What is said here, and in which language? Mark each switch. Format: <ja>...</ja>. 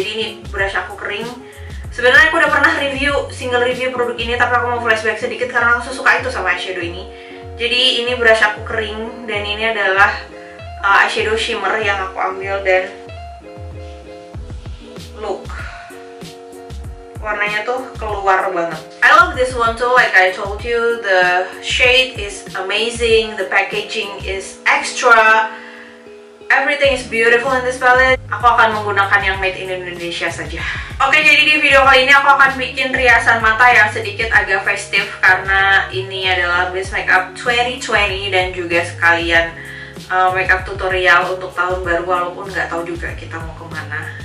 <id>Jadi ini brush aku kering. Sebenarnya aku udah pernah review, single review produk ini, tapi aku mau flashback sedikit karena aku suka itu sama eyeshadow ini. Jadi ini brush aku kering, dan ini adalah eyeshadow shimmer yang aku ambil, dan look, warnanya tuh keluar banget.</id> <en>I love this one too, like I told you, the shade is amazing, the packaging is extra, everything is beautiful in this palette.</en> <id>Aku akan menggunakan yang</id> <en>made in Indonesia</en> <id>saja. Oke, jadi di video kali ini aku akan bikin riasan mata yang sedikit agak festive karena ini adalah base makeup 2020 dan juga sekalian makeup tutorial untuk tahun baru, walaupun nggak tahu juga kita mau kemana.</id>